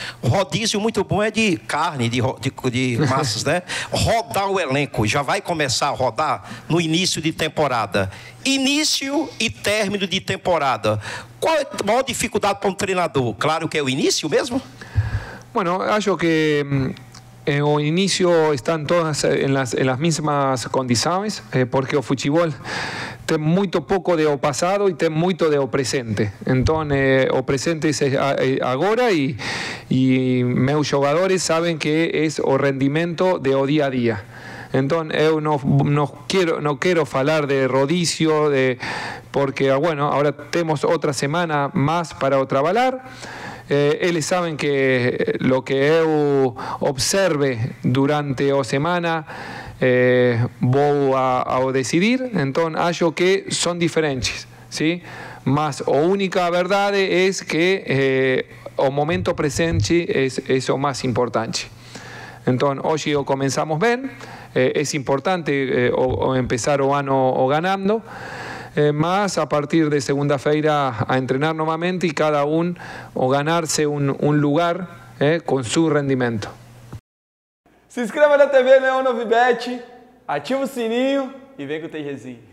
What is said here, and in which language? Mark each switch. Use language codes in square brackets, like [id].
[pt] Rodízio muito bom é de carne, de massas, né? Rodar o elenco. Já vai começar a rodar no início de temporada. Início e término de temporada. Qual é a maior dificuldade para um treinador? Claro que é o início mesmo? [es] Bueno, [pt] acho que [es] en el inicio están todas en las mismas condiciones, porque el fútbol tiene muy poco de lo pasado y tiene mucho de lo presente. Entonces, el presente es ahora y mis jugadores saben que es el rendimiento de lo día a día. Entonces, yo no quiero hablar de rodicio, porque bueno, ahora tenemos otra semana más para trabajar. Ellos saben que lo que yo observe durante la semana voy a decidir, entonces creo que son diferentes, ¿sí? Mas la única verdad es que el momento presente es lo más importante. Entonces hoy o comenzamos bien, es importante o empezar el año o ganando. [pt] Más a partir de segunda-feira a entrenar novamente e cada um a ganhar-se um lugar com seu rendimento. Se inscreva na TV Leão Novibet, ativa o sininho e vem com o TGzinho.